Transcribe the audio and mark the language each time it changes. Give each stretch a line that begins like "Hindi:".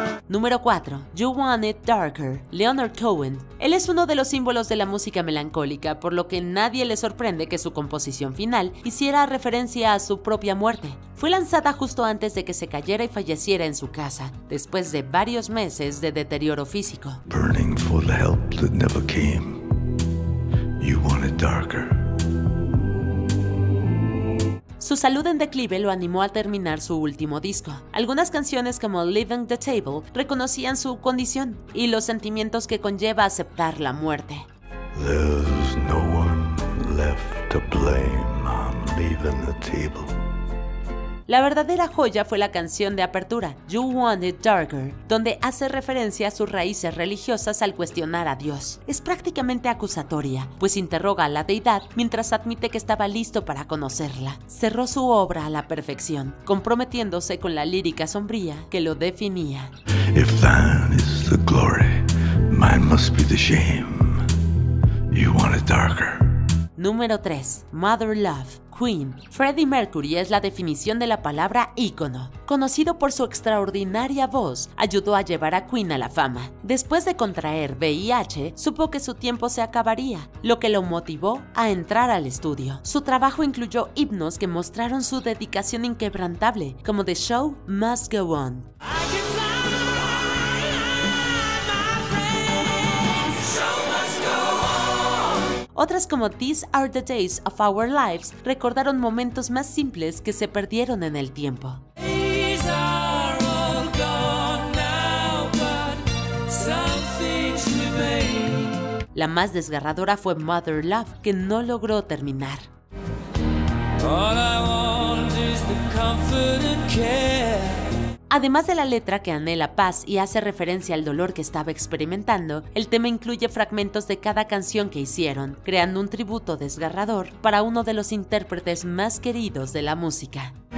Spanish: Número 4. You Want It Darker, Leonard Cohen. Él es uno de los símbolos de la música melancólica, por lo que nadie le sorprende que su composición final hiciera referencia a su propia muerte. Fue lanzada justo antes de que se cayera y falleciera en su casa, después de varios meses de deterioro físico.
English: Burning for the help that never came. You Want It Darker.
Spanish: Su salud en declive lo animó a terminar su último disco. Algunas canciones como Leaving the Table reconocían su condición y los sentimientos que conlleva aceptar la muerte.
English: There's no one left to blame, I'm leaving the table.
Spanish: La verdadera joya fue la canción de apertura, You Want It Darker, donde hace referencia a sus raíces religiosas al cuestionar a Dios. Es prácticamente acusatoria, pues interroga a la deidad mientras admite que estaba listo para conocerla. Cerró su obra a la perfección, comprometiéndose con la lírica sombría que lo definía.
English: If thine is the glory, mine must be the shame. You want it darker.
Spanish: Número 3. Mother Love, Queen. Freddie Mercury es la definición de la palabra ícono. Conocido por su extraordinaria voz, ayudó a llevar a Queen a la fama. Después de contraer VIH, supo que su tiempo se acabaría, lo que lo motivó a entrar al estudio. Su trabajo incluyó himnos que mostraron su dedicación inquebrantable, como The Show Must Go On. Otras como These Are the Days of Our Lives recordaron momentos más simples que se perdieron en el tiempo.
English: These are all gone now, but something's remained.
Spanish: La más desgarradora fue Mother Love, que no logró terminar.
English: All I want is the comfort and care.
Spanish: Además de la letra que anhela paz y hace referencia al dolor que estaba experimentando, el tema incluye fragmentos de cada canción que hicieron, creando un tributo desgarrador para uno de los intérpretes más queridos de la música.